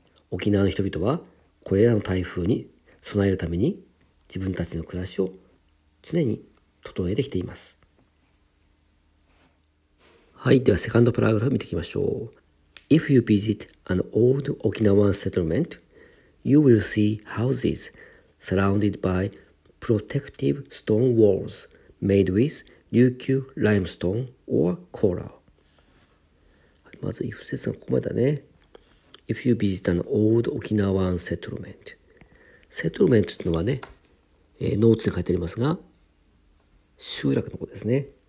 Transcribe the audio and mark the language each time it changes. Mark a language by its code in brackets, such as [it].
[ja] 沖縄の人々は、これらの台風に備えるために、自分たちの暮らしを常に整えてきています。はい、では、セカンドパラグラフ見ていきましょう。 [en] If you visit an old Okinawan settlement, you will see houses surrounded by protective stone walls made with Ryukyu limestone or coral. [ja] まず、if 説がここまでだね。 [en] If you visit an old Okinawan settlement. [ja] Settlement というのはね、ノーツに書いてありますが、集落のことですね。